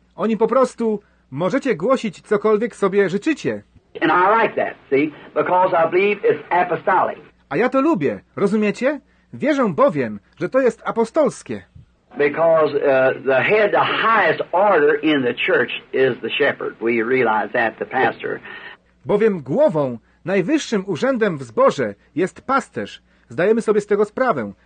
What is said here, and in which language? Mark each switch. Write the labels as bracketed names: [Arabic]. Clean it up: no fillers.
[Polish] Oni po prostu możecie głosić cokolwiek sobie życzycie. [English] And I like that, see? Because I believe it's apostolic. [Polish] A ja to lubię, rozumiecie? Wierzę bowiem, że to jest apostolskie. [English] Because the head, the highest order in the church is the shepherd. We realize that, the pastor. [Polish] Bowiem głową, najwyższym urzędem w zborze jest pasterz. Zdajemy sobie z tego sprawę.